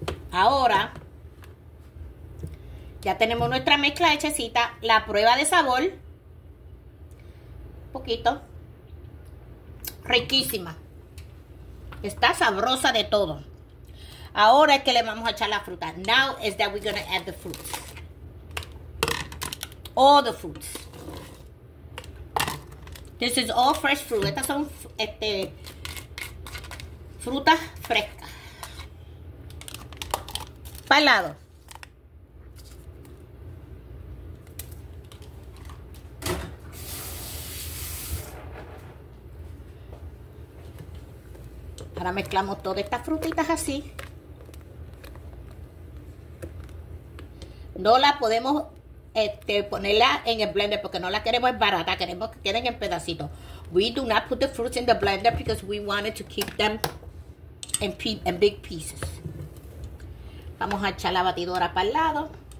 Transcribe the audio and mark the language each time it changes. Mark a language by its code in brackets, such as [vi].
[es] Ahora, ya tenemos nuestra mezcla hechecita. La prueba de sabor. Un poquito. Riquísima. Está sabrosa de todo. Ahora es que le vamos a echar la fruta. [en] Now is that we're going to add the fruits. All the fruits. This is all fresh fruit. [es] Estas son frutas frescas. Para el lado. Ahora mezclamos todas estas frutitas así. No la podemos ponerla en el blender porque no la queremos barata, queremos que queden en pedacitos. [en] We do not put the fruits in the blender because we wanted to keep them in big pieces. [es] Vamos a echar la batidora para el lado.